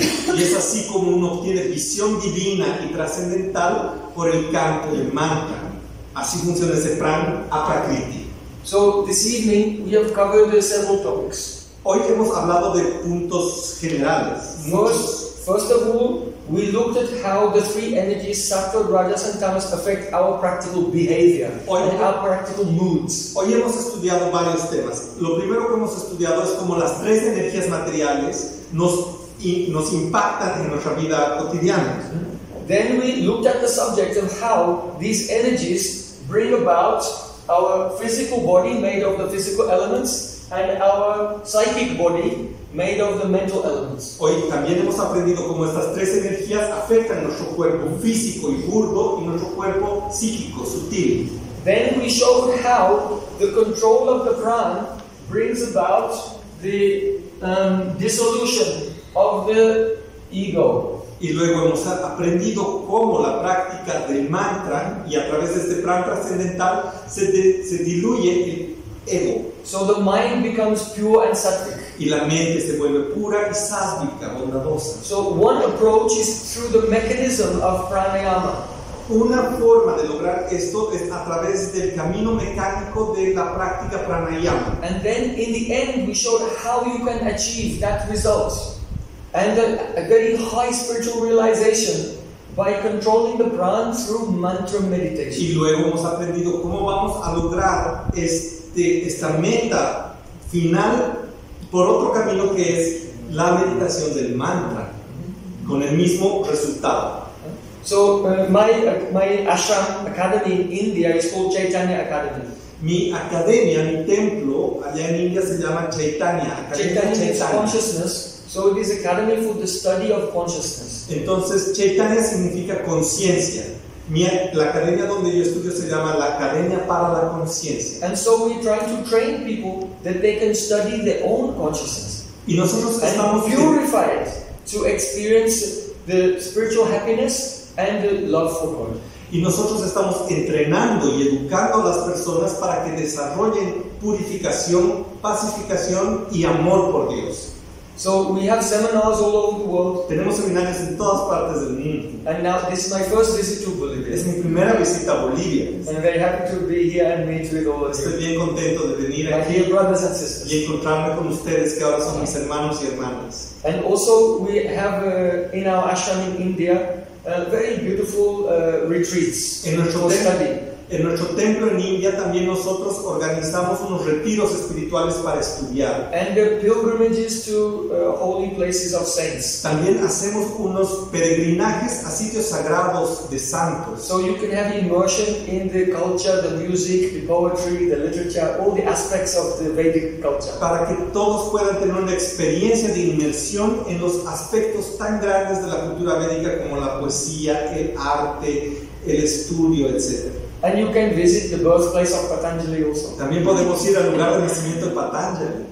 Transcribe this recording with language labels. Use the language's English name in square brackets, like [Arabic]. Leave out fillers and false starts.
[Spanish] Y es así como uno obtiene visión divina y trascendental por el canto del mantra. Así funciona ese prana aprakriti. [English] So this evening we have covered several topics. [Spanish] Hoy hemos hablado de puntos generales. [English] First of all, we looked at how the three energies, sattva, rajas and tamas, affect our practical behavior and our practical moods. [Spanish] Hoy hemos estudiado varios temas. Lo primero que hemos estudiado es cómo las tres energías materiales nos impactan en nuestra vida cotidiana. [English] Then we looked at the subject of how these energies bring about our physical body made of the physical elements and our psychic body made of the mental elements. [Spanish] Hoy también hemos aprendido cómo estas tres energías afectan nuestro cuerpo físico y burdo y nuestro cuerpo psíquico sutil. [English] Then we showed how the control of the prana brings about the dissolution of the ego. [Spanish] Y luego hemos aprendido cómo la práctica del mantra y a través de este prana trascendental se diluye el ego. [English] So the mind becomes pure and sattvic. [Spanish] Y la mente se vuelve pura y sattvica, bondadosa. [English] So one approach is through the mechanism of pranayama. [Spanish] Una forma de lograr esto es a través del camino mecánico de la práctica pranayama. [English] And then in the end we showed how you can achieve that result and a very high spiritual realization by controlling the prana through mantra meditation. [Spanish] Y luego hemos aprendido cómo vamos a lograr esta meta final por otro camino que es la meditación del mantra con el mismo resultado. [English] So my ashram academy in India is called Chaitanya Academy. [Spanish] Mi academia, mi templo allá en India se llama Chaitanya Academy. [English] Chaitanya is consciousness, so it is academy for the study of consciousness. [Spanish] Entonces Chaitanya significa conciencia. La academia donde yo estudio se llama la Academia para la Conciencia. [English] And so we try to train people that they can study their own consciousness. [Spanish] Y nosotros estamos [English] purified to experience the spiritual happiness and the love for God. [Spanish] Y nosotros estamos entrenando y educando a las personas para que desarrollen purificación, pacificación y amor por Dios. [English] So we have seminars all over the world. [Spanish] Tenemos seminarios en todas partes del mundo. [English] And now this is my first visit to Bolivia. [Spanish] Es mi primera visita a Bolivia. [English] And I'm very happy to be here and meet with all of you. [Spanish] Estoy bien contento de venir [English] aquí. My dear brothers and sisters. [Spanish] Y encontrarme con ustedes que ahora son mis hermanos y hermanas. [English] And also we have in our ashram in India very beautiful retreats. [Spanish] En nuestro templo en India también nosotros organizamos unos retiros espirituales para estudiar. [English] And the pilgrimages to holy places of saints. [Spanish] También hacemos unos peregrinajes a sitios sagrados de santos. [English] So you can have immersion in the culture, the music, the poetry, the literature, all the aspects of the Vedic culture. [Spanish] Para que todos puedan tener una experiencia de inmersión en los aspectos tan grandes de la cultura védica como la poesía, el arte, el estudio, etc. [English] And you can visit the birthplace of Patanjali also. [Spanish] También podemos ir al lugar de nacimiento de Patanjali.